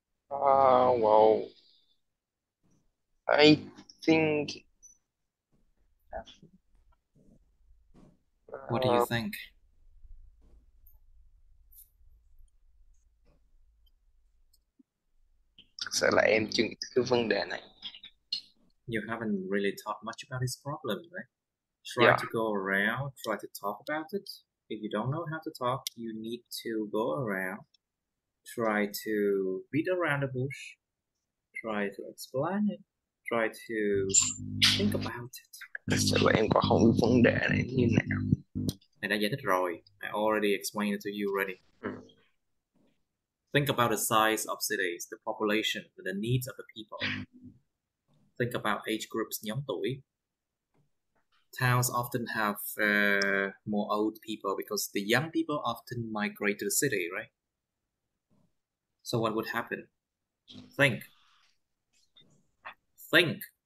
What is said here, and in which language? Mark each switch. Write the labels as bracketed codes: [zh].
[en] Well, I think. What do you think? [vi] Sẽ là em chưa nghĩ tới cái vấn đề này. [en] You haven't really talked much about this problem, right? Try yeah. to go around, try to talk about it. If you don't know how to talk, you need to go around, try to beat around the bush, try to explain it, try to think about it. [vi] Sẽ là em có không biết vấn đề này như nào. Mày đã giải thích rồi. [en] I already explained it to you already. Think about the size of cities, the population, the needs of the people. Think about age groups, [vi] nhóm tuổi. [en] Towns often have more old people because the young people often migrate to the city, right? So what would happen? Think. Think.